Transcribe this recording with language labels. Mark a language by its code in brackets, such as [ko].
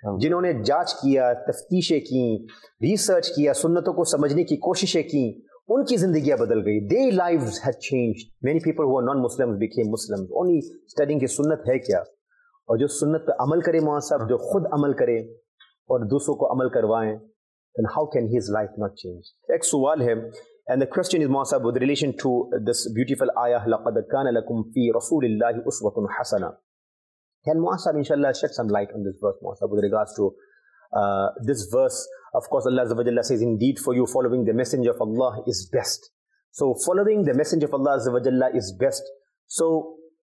[hi] जिन्होंने जांच किया, तफ्तीशें की, रिसर्च किया, सुन्नतों को समझने की कोशिशें की, उनकी जिंदगियां बदल गई. [en] Their lives had changed. Many people who are non-Muslims became Muslims. Only studying [hi] की सुन्नत है क्या? और जो सुन्नत पे अमल करे मुआसब, जो खुद अमल करे और दूसरों को अमल करवाएं, [en] then how can his life not change? [hi] एक सवाल है, [en] and the question is मुआसब with relation to this beautiful ayah, [ar] لَقَدْ كَانَ لَكُمْ فِي رَسُولِ اللَّهِ أُسْوَةٌ حَسَنَةٌ. [en] Can Muasab inshallah shed some light on this verse, Muasab, with regards to this verse? Of course, Allah Azza wa Jalla says, indeed for you, following the Messenger of Allah is best. So following the Messenger of Allah Azza wa Jalla is best. So